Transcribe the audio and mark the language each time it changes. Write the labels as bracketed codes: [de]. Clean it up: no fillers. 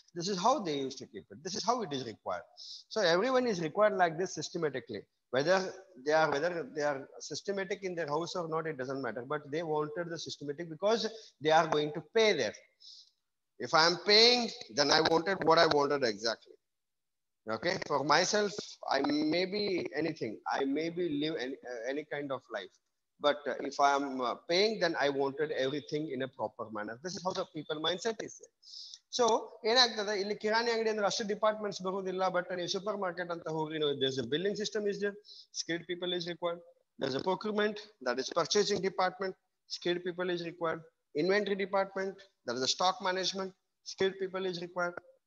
[en] This is how they use to keep it. This is how it is required. So every one is required like this systematically. Whether they are systematic in their house or not, it doesn't matter. But they wanted the systematic because they are going to pay there. If I am paying, then I wanted what I wanted exactly. Okay, for myself, I may be anything. I may be live any kind of life. But if I am paying, then I wanted everything in a proper manner. This is how the people mindset is. [kn] So ಏನಾಗ್ತದೆ ಇಲ್ಲಿ ಕಿರಾಣಿ ಅಂಗಡಿ ಅಂದ್ರೆ ಅಷ್ಟು departments ಬರುವುದಿಲ್ಲ, but ನೀವು super market ಅಂತ ಹೋಗಿ [en] There's a billing system is there, skilled people is required, there's a procurement that is purchasing department, skilled people is required, inventory department there's a stock management, skilled people is required.